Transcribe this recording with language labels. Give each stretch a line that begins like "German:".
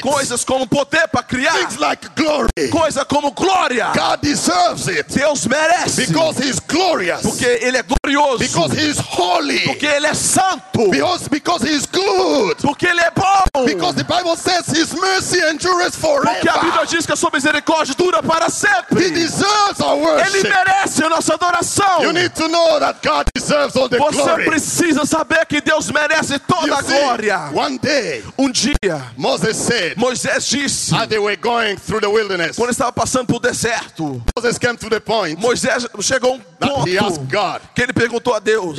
Portuguese: Coisas como poder para criar.
English: Things like glory.
Portuguese: Coisa como glória.
English: God deserves it.
Portuguese: Deus merece.
English: Because he's glorious.
Portuguese: Porque ele é glorioso.
English: Because he's holy.
Portuguese: Porque ele é santo.
English: Because he's good.
Portuguese: Porque ele é bom.
English: Because the Bible says his mercy endures forever.
Portuguese: Porque a Bíblia diz que a sua misericórdia dura para sempre.
English: He deserves our worship.
Portuguese: Ele merece a nossa adoração.
English: You need to know that God deserves all the
Portuguese: Você
English: glory.
Portuguese: Precisa saber que Deus merece toda
English: you
Portuguese: a glória.
English: See, one day.
Portuguese: Um dia,
English: Moses said,
Portuguese: Moisés disse,
English: as they were going through the wilderness,
Portuguese: quando estava passando por o deserto,
English: Moses came to the point,
Portuguese: Moisés chegou a um ponto
English: he asked God,
Portuguese: que ele perguntou a Deus,